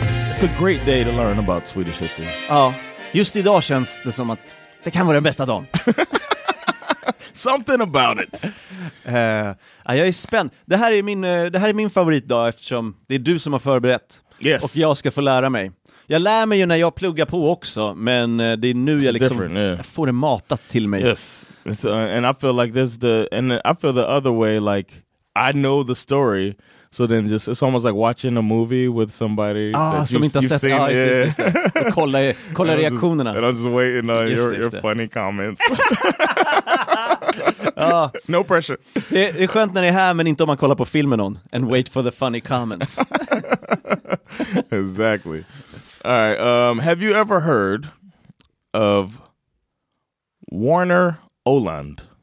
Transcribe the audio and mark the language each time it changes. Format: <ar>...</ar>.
<en>It's a great day to learn about Swedish history.</en> <sv>Oh, just idag känns det som att det kan vara den bästa dagen.</sv> <en>Something about it.</en> <sv>Jag är spänd. Det här är min favoritdag eftersom det är du som har förberett.</sv> <en>Yes.</en> <sv>Och jag ska få lära mig. Jag lär mig ju när jag pluggar på också, men det är nu</sv> <en>it's</en> <sv>jag liksom</sv> <en>yeah.</en> <sv>jag får det matat till mig.</sv> <en>Yes. And I feel like this the and I feel the other way like I know the story, so then just it's almost like watching a movie with somebody that you've seen. Ah,</en> <sv>just kolla reaktionerna.</sv> <en>And I'm just waiting on your funny comments. No pressure.</en> <sv>Det är skönt när ni är här, men inte om man kollar på filmen någon.</sv> <en>And wait for the funny comments. Exactly. All right. Have you ever heard of Verner Ölund?</en>